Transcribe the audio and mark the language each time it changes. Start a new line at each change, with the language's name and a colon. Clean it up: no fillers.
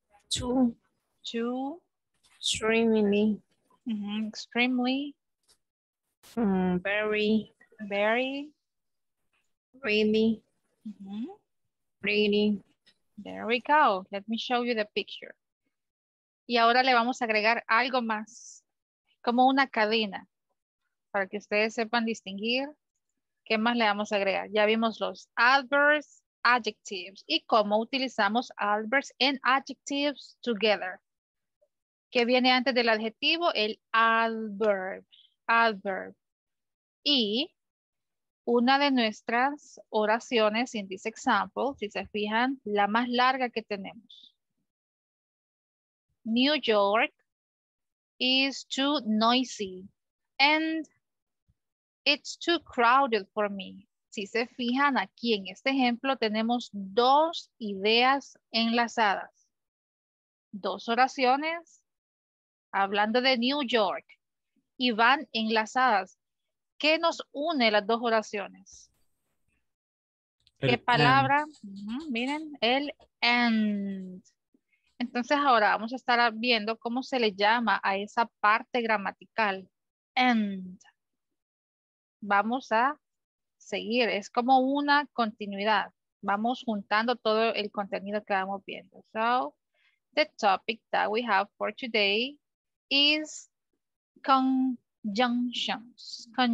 English: Two. Extremely. Extremely. Very. Very. Really. Really. There we go. Let me show you the picture.
Spanish: Y ahora le vamos a agregar algo más, como una cadena, para que ustedes sepan distinguir qué más le vamos a agregar. Ya vimos los adverbs, adjectives, y cómo utilizamos
English: adverbs and adjectives together.
Spanish: ¿Qué viene antes del adjetivo? El adverb. Adverb. Y una de nuestras oraciones
English: in this example,
Spanish: si se fijan, la más larga que tenemos.
English: New York is too noisy and it's too crowded for me.
Spanish: Si se fijan aquí en este ejemplo, tenemos dos ideas enlazadas. Dos oraciones hablando de New York y van enlazadas. ¿Qué nos une las dos oraciones? ¿Qué palabra? Miren, el and. Entonces ahora vamos a estar viendo cómo se le llama a esa parte gramatical. And. Vamos a seguir. Es como una continuidad. Vamos juntando todo el contenido que vamos viendo.
English: So, the topic that we have for today is conjunctions.